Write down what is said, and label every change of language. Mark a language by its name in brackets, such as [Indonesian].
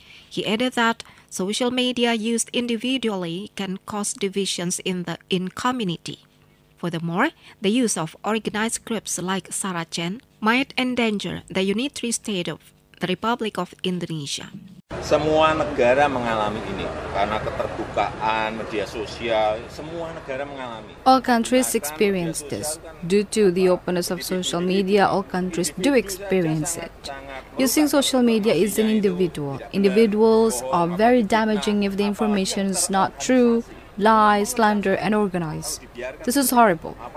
[English] He added that social media used individually can cause divisions in community. Furthermore, the use of organized groups like Saracen might endanger the unitary state of the Republic of Indonesia. [Indonesian] Semua negara mengalami ini karena keterbukaan media sosial. Semua negara mengalami. [English] All countries experience this. Due to the openness of social media, all countries do experience it. Using social media is an individual. Individuals are very damaging if the information is not true, lie, slander, and organized. This is horrible.